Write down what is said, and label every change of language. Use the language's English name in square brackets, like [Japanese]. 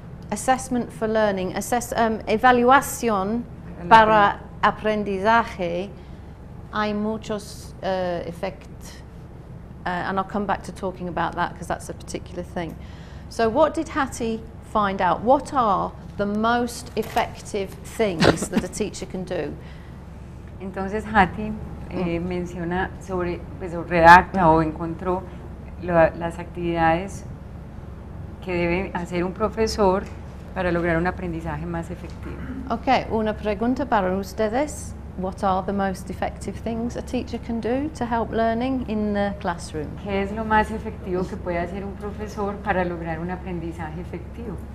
[English] Assessment for learning, [Spanish] evaluación para aprendizaje, hay muchos efectos. [English] And I'll come back to talking about that because that's a particular thing. So what did Hattie find out? What are the most effective things that a teacher can do? [Spanish] Entonces Hattie menciona sobre, pues, redacta o encontró las actividades que debe hacer un profesor para lograr un aprendizaje más efectivo. Okay, una pregunta para ustedes. [English] what are the most effective things a teacher can do to help learning in the classroom. [Spanish] ¿Qué es lo más efectivo que puede hacer un profesor para lograr un aprendizaje efectivo?